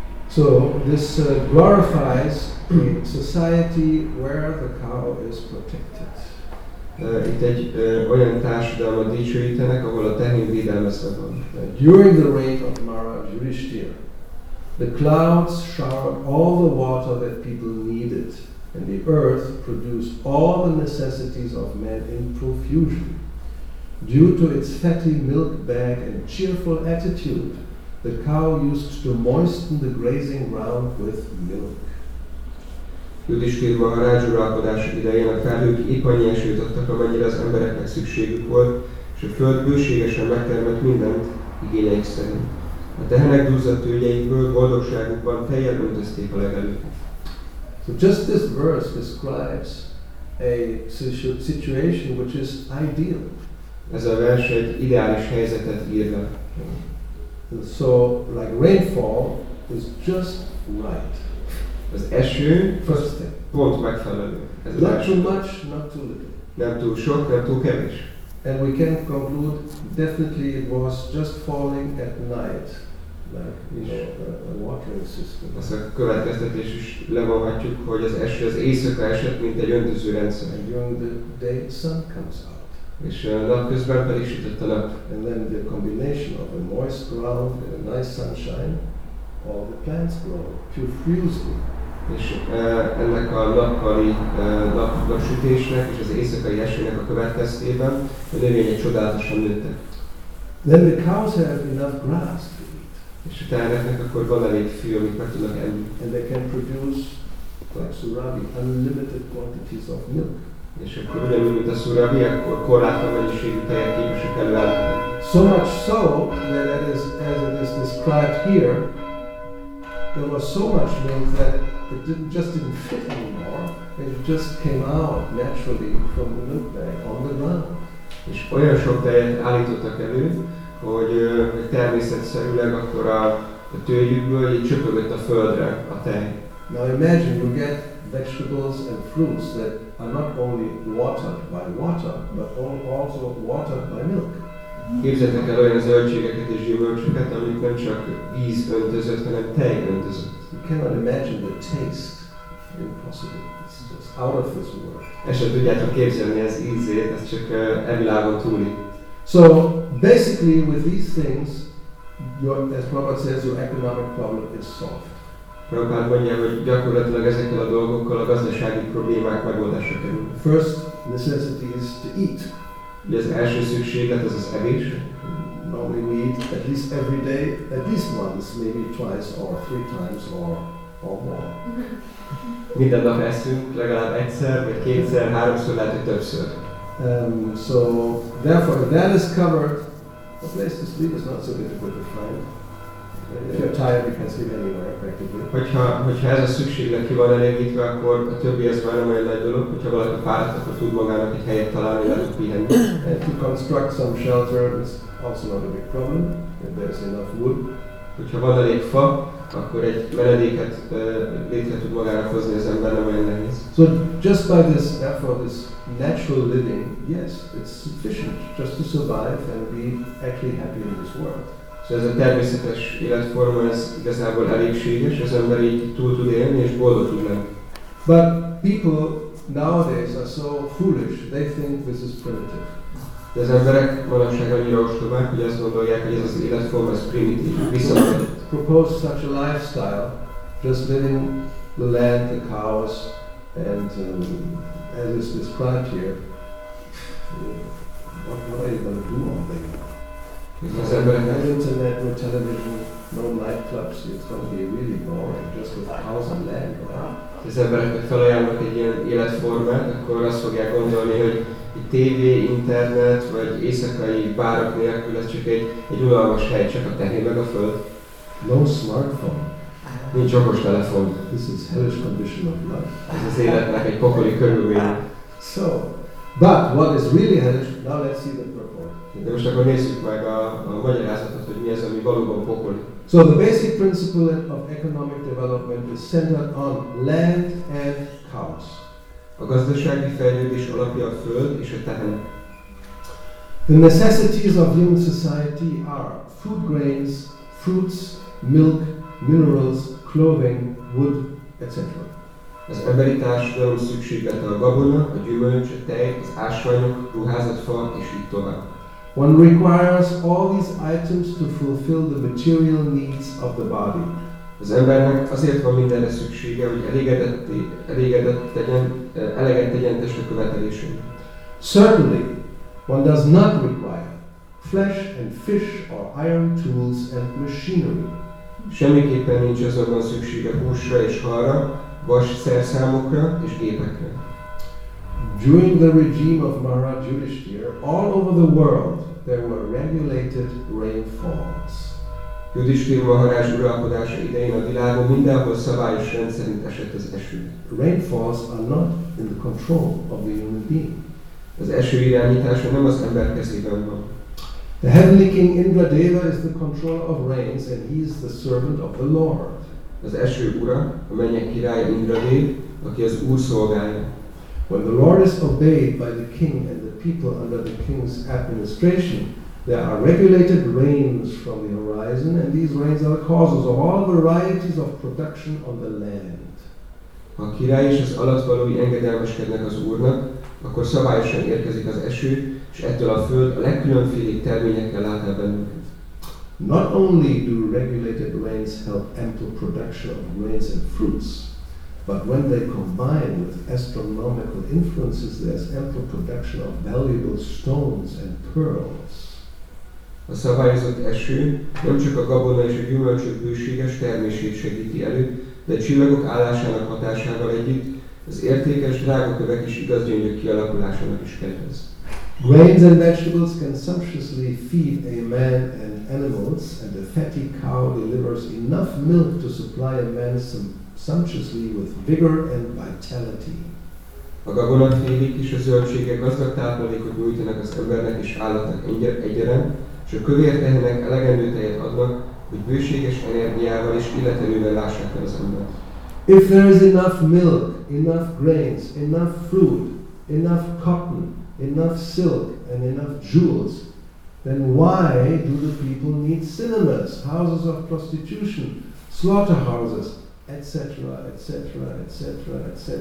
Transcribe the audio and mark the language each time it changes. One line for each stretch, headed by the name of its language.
English: So this glorifies a society where the cow is protected.
Hungarian: Itt egy olyan társadalmat dicsőítenek, ahol a tehén védelmezve van.
English: During the reign of Maharaj Yudhishthira, the clouds showered all the water that people needed, and the earth produced all the necessities of men in profusion. Due to its fatty milk bag and cheerful attitude, the cow used to moisten the grazing ground with milk.
Hungarian: Yudhishthira Maharaj uralkodása idején a felhők épp annyi esőt adtak, amennyire az embereknek szükségük volt, és a föld bőségesen megtermett mindent igényeik szerint. A tehenek duzzadt tőgyeikből boldogságukban tejjel öntözték a legelőket.
English: So just this verse describes a situation which is ideal.
Hungarian: Ez a vers egy ideális helyzetet ír le.
English: So like rainfall is just right.
Hungarian: Az eső
English: first
Hungarian: pont megfelelő. Ez
English: not too much, not too little.
Hungarian: Nem túl sok, nem túl kevés.
English: And we can conclude definitely it was just falling at night, like a watering system.
Hungarian: Ezt a következtetés is levonhatjuk, hogy az eső az éjszaka esett, mint egy öntöző rendszer.
English: And during the day sun comes out.
Hungarian: És napközben pedig sütött a nap.
English: And then the combination of a moist ground and a nice sunshine, all the plants grow profusely.
Hungarian: És ennek a nappali napsütésnek és az éjszakai esőnek a következtében a növények csodálatosan nőttek.
English: Then the cows have enough grass to eat.
Hungarian: És a teheneknek akkor van elég fű, amit meg tudnak enni.
English: And they can produce, like Surabi, unlimited quantities of milk.
Hungarian: És akkor ugyanúgy, mint a Surabi, akkor korlátlan mennyiségű tejet képesek előállítani.
English: So much so, that it is, as it is described here, there was so much milk that it didn't fit anymore, it just came out naturally from the milk bag on the ground.
Hungarian: És olyan sok tejet állítottak elő, hogy természetszerűleg akkor a tőjükből így csöpögött a földre a tej.
English: Now imagine you get vegetables and fruits that are not only watered by water, but also watered by milk.
Hungarian: Képzeltek el olyan zöldségeket és gyümölcsöket, amik nem csak víz öntözött, hanem tej öntözött.
English: You cannot imagine the taste. Impossible. It's just out of this world.
Hungarian: Ezt sem tudjátok képzelni, ez ízét, ez csak e világon túli.
English: So, basically with these things, your, as Prabhupada says, your economic problem is solved.
Hungarian: Prabhupada mondja, hogy gyakorlatilag ezekkel a dolgokkal a gazdasági problémák megoldásra kerül.
English: First necessity is to eat.
Hungarian: Ugye az első szükséglet az az evés.
English: Normally we eat at least every day, at least once, maybe twice or three times or more.
Hungarian: Minden nap eszünk, legalább egyszer, vagy kétszer, háromszor, lehet, hogy többször.
English: So, therefore, if that is covered, a place to sleep is not so difficult to find. If you're tired, you can sleep anywhere, practically.
Hungarian: Hogyha ez a szükséglet ki van elégítve, akkor a többi az már nem olyan nagy dolog, hogyha valaki fáradt, akkor tud magának egy helyet találni, lehet pihenni.
English: And to construct some shelter is also not a big problem, if there's enough wood.
Hungarian: Hogyha van elég fa, akkor egy menedéket létre tud magának hozni az ember, nem olyan nehéz.
English: So just by this effort, this natural living, yes, it's sufficient just to survive and be actually happy in this world.
Hungarian: De ez a természetes életforma, ez igazából elégséges, az ember így túl tud élni és boldog tud lenni.
English: But people nowadays are so foolish, they think this is primitive.
Hungarian: De az emberek valamság annyira ostobák, hogy azt gondolják, hogy ez az életforma, ez primitív, visszatérő.
English: Propose such a lifestyle, just living the land, the cows, and as is described here, what are you going to do all day?
Hungarian: Az emberek
English: no internet, no television, no nightclubs, it's going to be really boring, just with a house and land, right?
Hungarian: Az embereknek felajánlnak egy ilyen életformát, akkor azt fogják gondolni, hogy egy tévé, internet, vagy éjszakai bárok nélkül, ez csak egy unalmas hely, csak a tehén meg a föld.
English: No smartphone.
Hungarian: Nincs okos telefon.
English: This is hellish condition of life.
Hungarian: Ez az életnek egy pokoli körülmény.
English: So, but what is really hellish, now let's see the purport.
Hungarian: De most akkor nézzük meg a magyarázatot, hogy mi az, ami valóban pokol.
English: So the basic principle of economic development is centered on land and cows.
Hungarian: A gazdasági fejlődés alapja a föld és a tehen.
English: The necessities of human society are food, grains, fruits, milk, minerals, clothing, wood, etc.
Hungarian: Az emberi társadalom szükséglete a gabona, a gyümölcs, a tej, az ásványok, ruházat, fa és így tovább.
English: One requires all these items to fulfill the material needs of the body.
Hungarian: Az embernek azért van mindenre szüksége, hogy eleget tegyen a követelésünk.
English: Certainly, one does not require flesh and fish or iron tools and machinery.
Hungarian: Semmiképpen nincs azonban szüksége húsra és halra, vas szerszámokra és gépekre.
English: During the regime of Maharaj Yudhisthira, all over the world there were regulated rainfalls.
Hungarian: Yudhisthira Maharaj uralkodása idején a világon mindenhol szabályos rendszerint esett az eső.
English: Rainfalls are not in the control of the human being.
Hungarian: Az eső irányítása nem az ember kezében van.
English: The heavenly king Indradeva is the controller of rains and he is the servant of the Lord.
Hungarian: Az eső ura, a mennyek királya Indradev, aki az Úr szolgálja.
English: When the law is obeyed by the king and the people under the king's administration, there are regulated rains from the horizon, and these rains are the causes of all varieties of production on the land.
Hungarian: Ha a király és az alattvalói engedelmeskednek az Úrnak, akkor szabályosan érkezik az eső, és ettől a föld a legkülönfélébb terményekkel lát el bennünket.
English: Not only do regulated rains help ample production of grains and fruits, but when they combine with astronomical influences, there's ample production of valuable stones and pearls.
Hungarian: A szabályozott eső nem csak a gabona és a gyümölcsök bőséges termését segíti elő, de csillagok állásának hatásával együtt az értékes drágakövek és igazgyönyök kialakulásának is kedvez.
English: Grains and vegetables can sumptuously feed a man and animals, and a fatty cow delivers enough milk to supply a man sumptuously with vigor and vitality.
Hungarian: A gabonafélék és a zöldségek gazdag táplálékot nyújtanak az embernek és állatnak egyaránt, és a kövér tehenek elegendő tejet adnak, hogy bőséges energiával és illetelővel lássák el az embert.
English: If there is enough milk, enough grains, enough fruit, enough cotton, enough silk and enough jewels, then why do the people need cinemas, houses of prostitution, slaughterhouses, etc., etc., etc., etc.?